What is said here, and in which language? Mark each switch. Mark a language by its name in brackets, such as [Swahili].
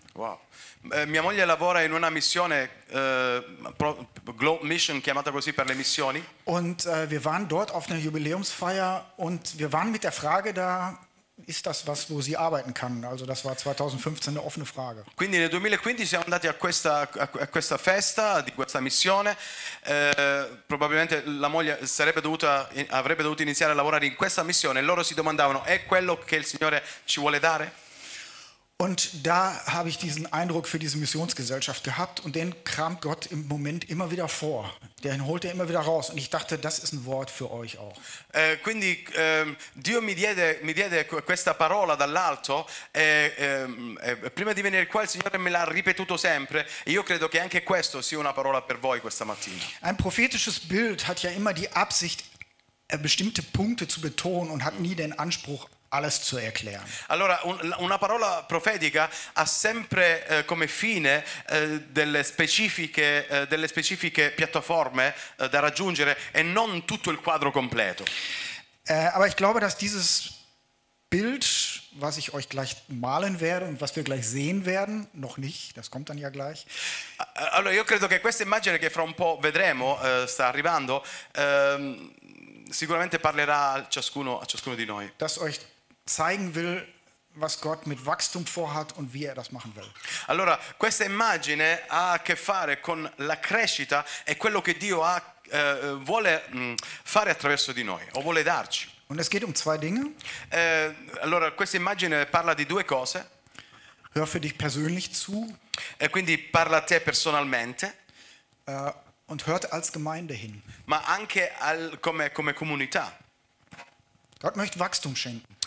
[Italian] Wow. Mia moglie lavora in una missione Globe Mission, chiamata così per le missioni. [German] Und wir waren dort auf einer Jubiläumsfeier und wir waren mit der Frage da, ist das was, wo sie arbeiten kann? Also das war 2015 eine offene Frage. [Italian] Quindi nel 2015 siamo andati a questa festa di questa missione. Probabilmente la moglie avrebbe dovuto iniziare a lavorare in questa missione. Loro si domandavano: è quello che il Signore ci vuole dare? [German] Und da habe ich diesen Eindruck für diese Missionsgesellschaft gehabt und den kramt Gott im Moment immer wieder vor. Den holt er immer wieder raus und ich dachte, das ist ein Wort für euch auch. [Italian] Quindi Dio mi diede questa parola dall'alto e prima di venire qua il Signore me l'ha ripetuto sempre e io credo che anche questo sia una parola per voi questa mattina. [German] Ein prophetisches Bild hat ja immer die Absicht, bestimmte Punkte zu betonen und hat nie den Anspruch, alles zu erklären. [Italian] Allora, una parola profetica ha sempre come fine delle specifiche piattaforme da raggiungere e non tutto il quadro completo. [German] Aber ich glaube, dass dieses Bild, was ich euch gleich malen werde und was wir gleich sehen werden, noch nicht, das kommt dann ja gleich. [Italian] Allora, io credo che questa immagine che fra un po' vedremo sta arrivando sicuramente parlerà a ciascuno di noi. [German] Dass euch zeigen will, was Gott mit Wachstum vorhat und wie er das machen will. [Italian] Allora, questa immagine ha a che fare con la crescita e quello che Dio ha vuole fare attraverso di noi o vuole darci. [German] Und es geht um zwei Dinge. [Italian] Allora, questa immagine parla di due cose. [German] Hör für dich persönlich zu. [Italian] E quindi parla a te personalmente. [German] Und hört als Gemeinde hin. [Italian] Ma anche come comunità. [German] Gott möchte Wachstum schenken.